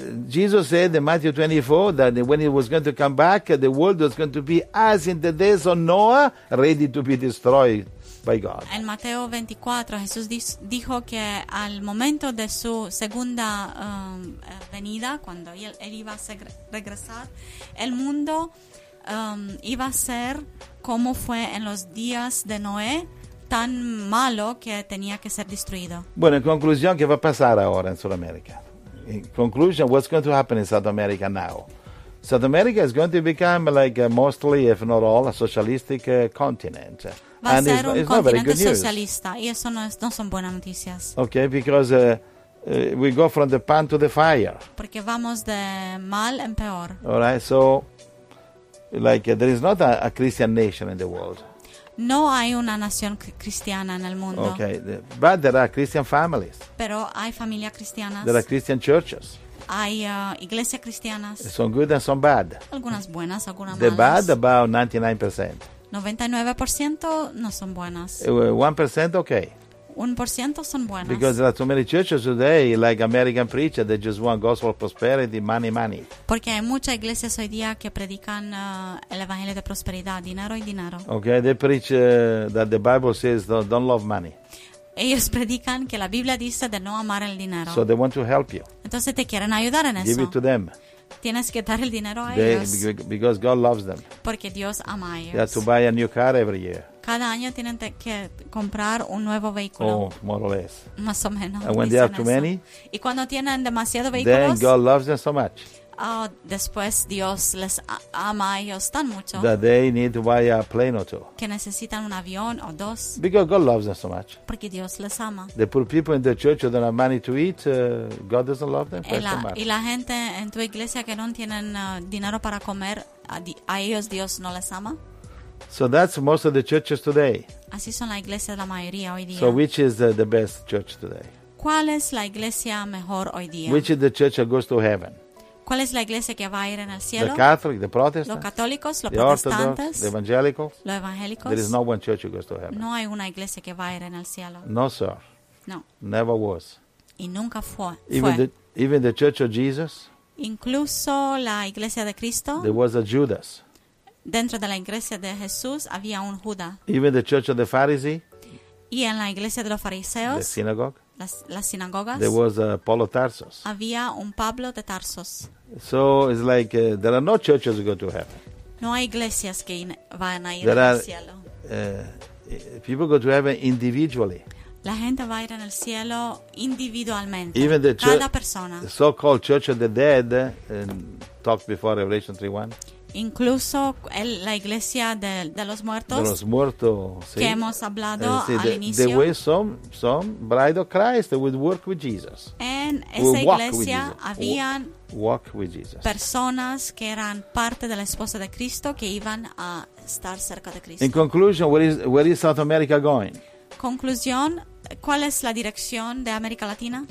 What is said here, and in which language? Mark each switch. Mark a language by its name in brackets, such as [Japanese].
[English] Jesus said in Matthew 24 that when he was going to come back, the world was going to be as in the days of Noah, ready to be destroyed by God. [Spanish] En Mateo 24, Jesús dijo que al momento de su segunda venida, cuando él iba a regresar, el mundo iba a ser como fue en los días de Noé, tan malo que tenía que ser destruido. Bueno, en conclusión, ¿qué va a pasar ahora en Sudamérica? [English] In conclusion, what's going to happen in South America now? South America is going to become like a mostly, if not all, a socialistic continent. [Spanish] Va a ser un continente socialista, y eso no son buenas noticias. [English] Okay, because we go from the pan to the fire. [Spanish] Porque vamos de mal en peor. [English] All right, so like there is not a Christian nation in the world. [Spanish] No hay una nación cristiana en el mundo. [English] Okay, but there are Christian families. [Spanish] Pero hay familias cristianas. [English] There are Christian churches. [Spanish] Hay iglesias cristianas. [English] Some good and some bad. [Spanish] Algunas buenas, algunas [English] the [Spanish] malas. [English] The bad, about 99%. [Spanish] 99% no son buenas. [English] 1% okay. [Spanish] 1% son buenas. [English] Because there are too many churches today, like American preachers, they just want gospel prosperity, money. [Spanish] Porque hay muchas iglesias hoy día que predican el evangelio de prosperidad, dinero y dinero. [English] Okay, they preach that the Bible says don't love money. [Spanish] Ellos predican que la Biblia dice de no amar el dinero. [English] So they want to help you. [Spanish] Entonces te quieren ayudar en [English] give [Spanish] eso. [English] Give it to them. [Spanish] Tienes que dar el dinero a ellos. [English] Because God loves them. [Spanish] Porque Dios ama a ellos. [English] They have to buy a new car every year. [Spanish] Cada año tienen que comprar un nuevo vehículo. [English] Oh, more or less. [Spanish] Más o menos. [English] And when they have too many, [Spanish] y cuando tienen demasiados vehículos, [English] then God loves them so much. [Spanish] Oh, después Dios les ama a ellos tan mucho. [English] That they need to buy a plane or two. [Spanish] Que necesitan un avión o dos. [English] Because God loves them so much. [Spanish] Porque Dios les ama. [English] The poor people in the church who don't have money to eat, God doesn't love them. [Spanish] Y la gente en tu iglesia que no tienen dinero para comer, a ellos Dios no les ama. [English] So that's most of the churches today. [Spanish] Así son la iglesia la mayoría hoy día. [English] So which is the best church today? [Spanish] ¿Cuál es la iglesia mejor hoy día? [English] Which is the church that goes to heaven? [Spanish] ¿Cuál es la iglesia que va a ir en el cielo? [English] The Catholic, the Protestant. [Spanish] Los católicos, los protestantes. [English] Orthodox, the evangelicals. [Spanish] Los evangélicos. [English] There is no one church that goes to heaven. [Spanish] No hay una iglesia que va a ir en el cielo. [English] No, sir. [Spanish] No. [English] Never was. [Spanish] Y nunca fue. [English] Even the church of Jesus. [Spanish] Incluso la iglesia de Cristo. [English] There was a Judas. [Spanish] Dentro de la iglesia de Jesús había un Judas. [English] Even the church of the Pharisees. [Spanish] Y en la iglesia de los fariseos. [English] The synagogue. [Spanish] Las sinagogas. [English] There was a Paul of Tarsus. [Spanish] Había un Pablo de Tarsos. [English] So it's like there are no churches that go to heaven. [Spanish] No hay iglesias que van a ir al cielo. [English] There are people go to heaven individually. [Spanish] La gente va a ir al cielo individualmente. [English] Even the [Spanish] cada persona. [English] The so-called Church of the Dead talked before Revelation 3:1. [Spanish] Incluso la iglesia de los muertos, de los muertos, sí, que hemos hablado sí, al inicio. [English] The way some bride of Christ would work with Jesus. [Spanish] En esa iglesia habían [English] walk with Jesus. [Spanish] Personas que eran parte de la esposa de Cristo que iban a estar cerca de Cristo. [English] In conclusion, where is South America going? [Spanish] Conclusión, ¿cuál es la dirección de América Latina?